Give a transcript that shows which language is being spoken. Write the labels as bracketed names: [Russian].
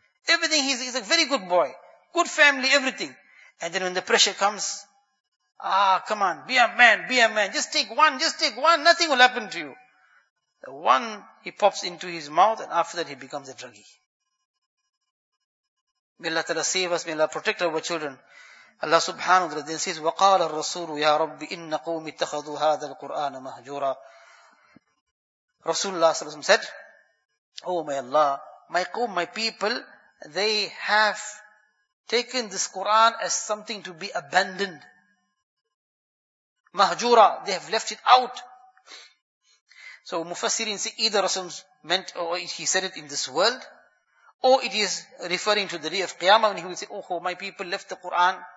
[English] Everything, he's a very good boy. Good family, everything. And then when the pressure comes, ah, come on, be a man, be a man. Just take one. Nothing will happen to you. The one, he pops into his mouth, and after that he becomes a druggie. May Allah ta'ala save us, may Allah protect our children. Allah subhanahu wa ta'ala then says, [Arabic] وَقَالَ الرَّسُولُ يَا رَبِّ إِنَّ قَوْمِ اتَّخَذُوا هَذَا الْقُرْآنَ مَهْجُورًا. [English] Rasulullah sallallahu alayhi wa sallam said, oh my Allah, my qawm, my people, they have taken this Qur'an as something to be abandoned. Mahjura, they have left it out. So Mufassirin say either Rasulullah meant, or he said it in this world, or it is referring to the day of Qiyamah, when he will say, oh, my people left the Qur'an.